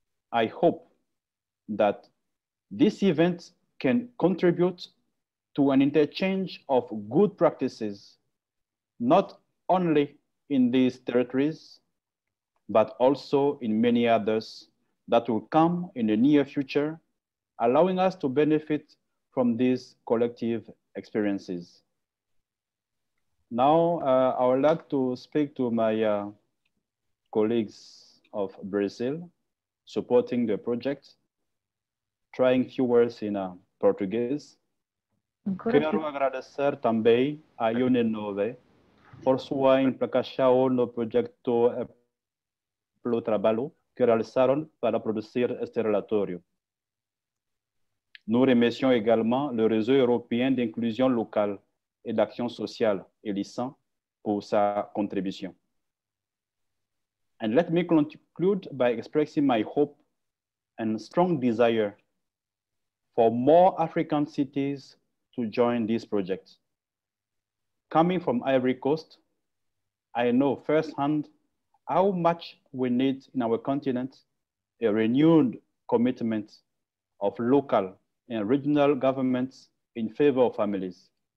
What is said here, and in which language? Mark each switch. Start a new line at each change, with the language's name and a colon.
English: I hope that this event can contribute to an interchange of good practices, not only in these territories, but also in many others that will come in the near future, allowing us to benefit from these collective experiences. Now, I would like to speak to my colleagues of Brazil, supporting the project, trying a few words in Portuguese.
Portuguese: Quero agradecer também a UNINOVE por sua implicação no projeto pelo trabalho que realizaram para produzir este relatório.
French: Nous remercions également le réseau européen d'inclusion locale et d'action sociale, ELISAN, pour sa contribution.
English: And let me conclude by expressing my hope and strong desire for more African cities to join this project. Coming from Ivory Coast, I know firsthand how much we need in our continent a renewed commitment of local and regional governments in favor of families.